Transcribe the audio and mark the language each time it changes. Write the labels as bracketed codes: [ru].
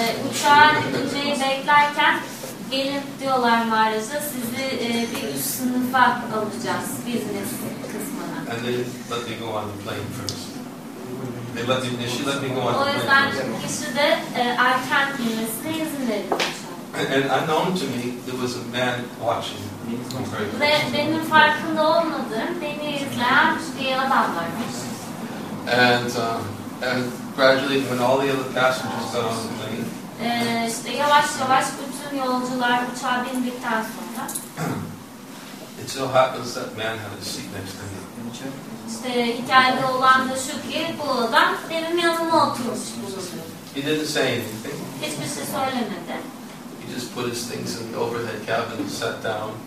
[tr] Uçağa gideceği beklerken, gelip diyorlar mağaraca sizi bir üst sınıfa alacağız business kısmına. [en] And they let me go on the plane first. They let me, she let me go on the plane. [tr] O yüzden kişi de erken inmesine izin veriyor. [en] And unknown to me, there was a man watching. [tr] Ve benim farkında olmadığım, beni izleyen bir adam varmış. [en] And gradually when all the other passengers got on the plane. [tr] İşte yavaş yavaş yolcular uçağa bindikten sonra [en] it so happens that man had a seat next to me. [tr] İşte hikayede olan da şu ki bu adam benim yanıma oturmuş. [en] He didn't say anything. [tr] Hiçbir şey söylemedi. [en] He just put his things in the overhead cabin and sat down.